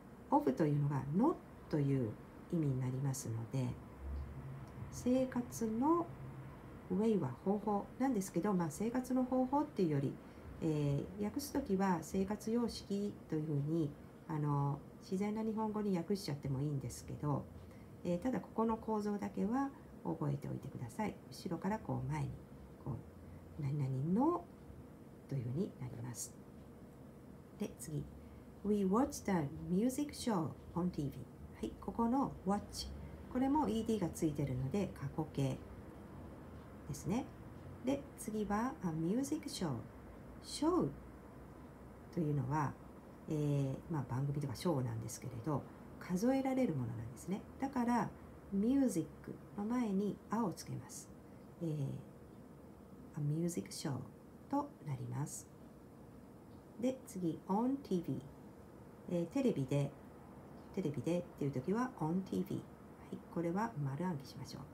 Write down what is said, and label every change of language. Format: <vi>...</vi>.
<ja>of というのが not という意味になりますので、生活の way は方法なんですけど、生活の方法っていうより、訳すときは生活様式というふうに自然な日本語に訳しちゃってもいいんですけど、ただここの構造だけは覚えておいてください。後ろからこう前にこう何々のというふうになります。で、次。</ja> <en>We watched a music show on TV。</en> <ja>はい、ここの watch。これも ed がついているので過去形ですね。で、次は a music show。ショーというのは、番組とかショーなんですけれど、数えられるものなんですね。だから、ミュージックの前にアをつけます。</ja> <en>A music show</en> <ja>となります。で、次、on TV。テレビでっていうときは on TV。はい、これは丸暗記しましょう。</ja>